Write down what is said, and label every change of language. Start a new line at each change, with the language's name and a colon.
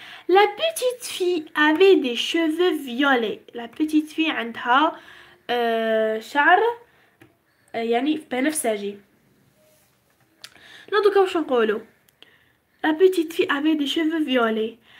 French: La petite fille avait des cheveux violets. La petite fille
Arabic: عندها شعر يعني بنفسجي. نضوك واش نقولوا؟
French: La petite fille avait des cheveux violets.